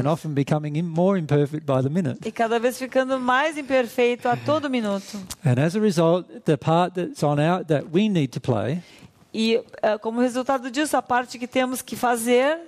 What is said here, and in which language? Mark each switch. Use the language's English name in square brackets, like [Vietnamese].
[English] And often becoming more imperfect by the minute. [Portuguese] E cada vez ficando mais imperfeito a todo minuto. [English] And as a result, the part that's on our, that we need to play. [Portuguese] E como resultado disso, a parte que temos que fazer